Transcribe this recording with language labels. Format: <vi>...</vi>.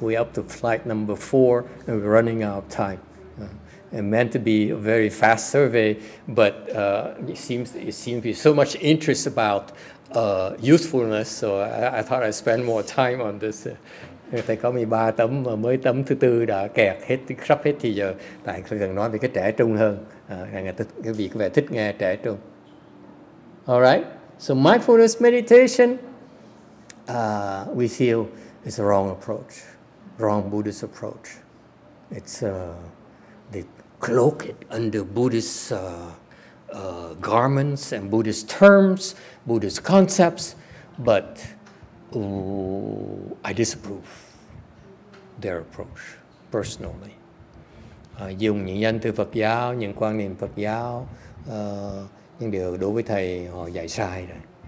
<en>We up to flight number 4, and we're running out of time. It meant to be a very fast survey, but it seems to be so much interest about usefulness. So I thought I'd spend more time on this.</en> <vi>Thầy có 13 tấm và mới tấm thứ tư đã kẹt hết, sắp hết thì giờ. Tại thầy cần nói về cái trẻ trung hơn. Cái vị có vẻ thích nghe trẻ trung.</vi> <en>All right. So mindfulness meditation, we feel, is a wrong approach, wrong Buddhist approach. It's they cloak it under Buddhist garments and Buddhist terms, Buddhist concepts, but I disapprove their approach personally.</en> <vi>Dùng những danh từ Phật giáo, những quan niệm Phật giáo. Nhưng điều đối với thầy họ dạy sai rồi.</vi>